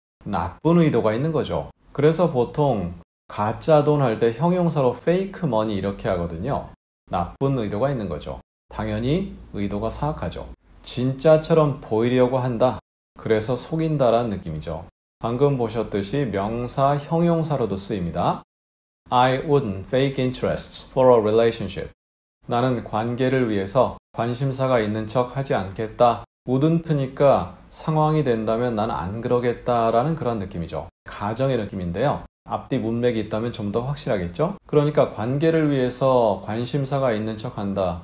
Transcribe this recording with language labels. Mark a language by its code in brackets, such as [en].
[ko] 나쁜 의도가 있는 거죠. 그래서 보통 가짜 돈 할 때 형용사로 fake money 이렇게 하거든요. 나쁜 의도가 있는 거죠. 당연히 의도가 사악하죠. 진짜처럼 보이려고 한다. 그래서 속인다라는 느낌이죠. 방금 보셨듯이 명사 형용사로도 쓰입니다. [en] I wouldn't fake interests for a relationship. [ko] 나는 관계를 위해서 관심사가 있는 척 하지 않겠다. wouldn't니까 상황이 된다면 난 안 그러겠다 라는 그런 느낌이죠. 가정의 느낌인데요. 앞뒤 문맥이 있다면 좀 더 확실하겠죠? 그러니까 관계를 위해서 관심사가 있는 척 한다.